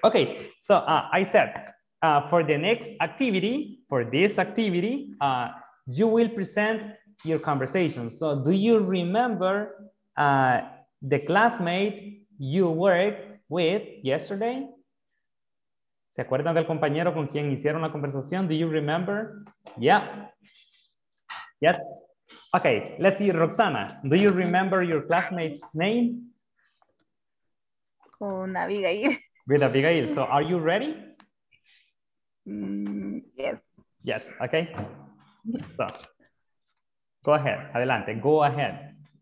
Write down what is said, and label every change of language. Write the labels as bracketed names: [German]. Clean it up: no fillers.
[English] Okay, so I said, for the next activity, for this activity, you will present your conversation. So do you remember the classmate you worked with yesterday? [Spanish] ¿Se acuerdan del compañero con quien hicieron la conversación? [English] Do you remember? Yeah. Yes. Okay, let's see, Roxana, do you remember your classmate's name? [Spanish] Con Abigail. [English] With Abigail, so are you ready? Yes. Yes, okay. So, go ahead, adelante, go ahead.